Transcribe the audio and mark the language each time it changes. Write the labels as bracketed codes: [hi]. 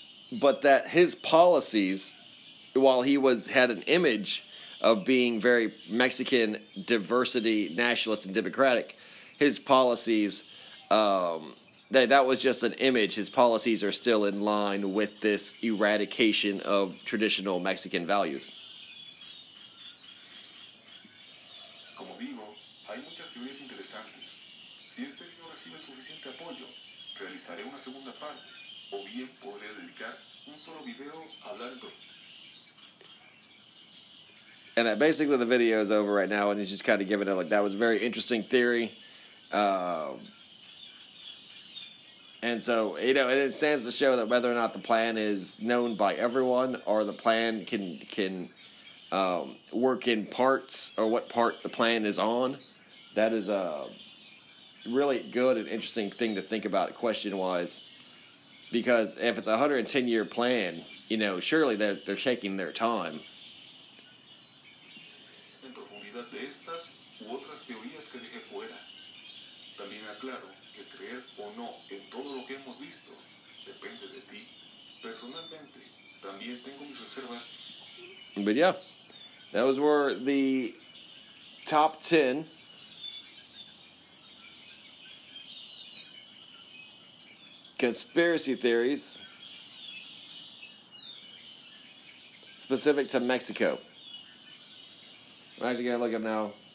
[en] but that his policies, while he had an image of being very Mexican, diversity, nationalist, and democratic, his policies, that was just an image. His policies are still in line with this eradication of traditional Mexican values. [es] Como digo, hay muchas teorías interesantes. Si este video recibe suficiente apoyo, realizaré una segunda parte, o bien podré dedicar un solo video a hablar de. [en] And that basically the video is over right now, and he's just kind of giving it like that was a very interesting theory. And so, you know, and it stands to show that whether or not the plan is known by everyone, or the plan can work in parts, or what part the plan is on, that is a really good and interesting thing to think about question-wise. Because if it's a 110-year plan, you know, surely they're taking their time. [es] De estas u otras teorías que dejé fuera. También aclaro que creer o no en todo lo que hemos visto depende de ti. Personalmente, también tengo mis reservas. [en] But yeah, those were the top 10 conspiracy theories specific to Mexico. I'm actually going to look up now.